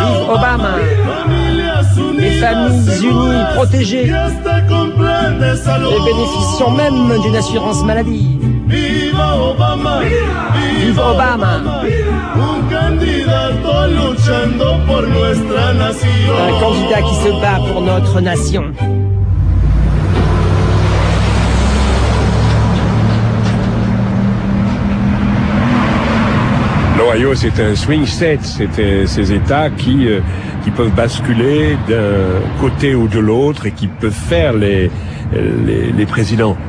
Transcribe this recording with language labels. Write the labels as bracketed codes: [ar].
[fr] Obama, les familles unies, protégées, et bénéficiant même d'une assurance maladie. [es] Viva Obama, viva Obama, un candidato luchando por nuestra nación. [fr] Un candidat qui se bat pour notre nation. L'Ohio, c'est un swing state, c'est ces États qui peuvent basculer d'un côté ou de l'autre et qui peuvent faire les présidents.